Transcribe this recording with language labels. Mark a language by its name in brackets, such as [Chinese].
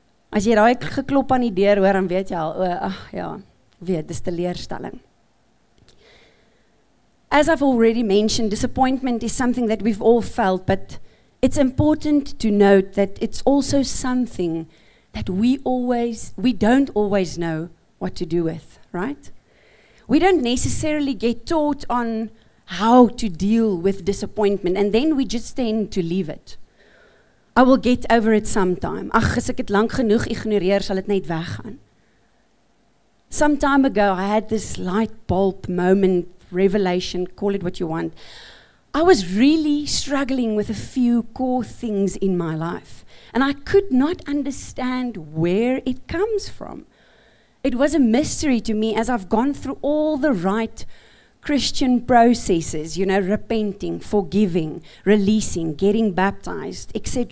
[Afrikaans] As jy daai geklop aan die deur hoor, dan weet jy al, dis teleurstelling. [English] As I've already mentioned, disappointment is something that we've all felt, but it's important to note that it's also something that we don't always know what to do with, right? We don't necessarily get taught on how to deal with disappointment, and then we just tend to leave it. I will get over it sometime. [Afrikaans] Ach, as ek het lang genoeg ignoreer, sal het net weggaan. [English] Some time ago, I had this light bulb moment, revelation, call it what you want. I was really struggling with a few core things in my life. And I could not understand where it comes from. It was a mystery to me as I've gone through all the right Christian processes, you know, repenting, forgiving, releasing, getting baptized, etc.